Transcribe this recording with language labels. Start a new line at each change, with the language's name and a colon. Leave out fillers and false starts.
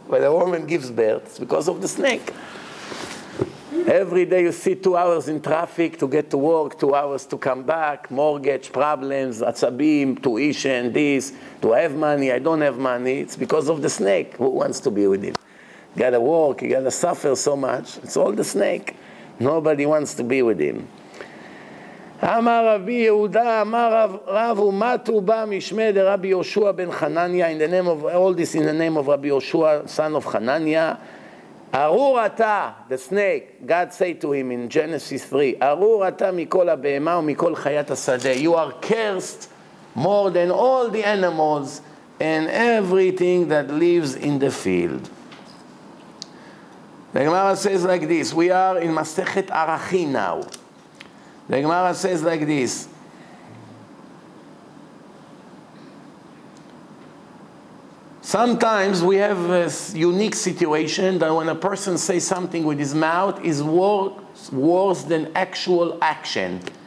English: When a woman gives birth, it's because of the snake. Every day you sit 2 hours in traffic to get to work, 2 hours to come back, mortgage problems, atzabim, tuition, this, do I have money, I don't have money, it's because of the snake. Who wants to be with him? You gotta work, you gotta suffer so much, it's all the snake. Nobody wants to be with him.
Hebrew: אמר רבי יהודה, אמר רב, ומתו בא משמי דרבי יהושע בן חנניה,
English: in the name of all this, in the name of רבי יהושע, son of חנניה,
Hebrew: ארור אתה,
English: the snake, God say to him in Genesis 3,
Hebrew: ארור אתה מכל הבהמה ומכל חיית השדה,
English: you are cursed more than all the animals and everything that lives in the field. The Gemara says like this, we are in Masechet Arachi now. The Gemara says like this. Sometimes we have a unique situation that when a person says something with his mouth is worse than actual action.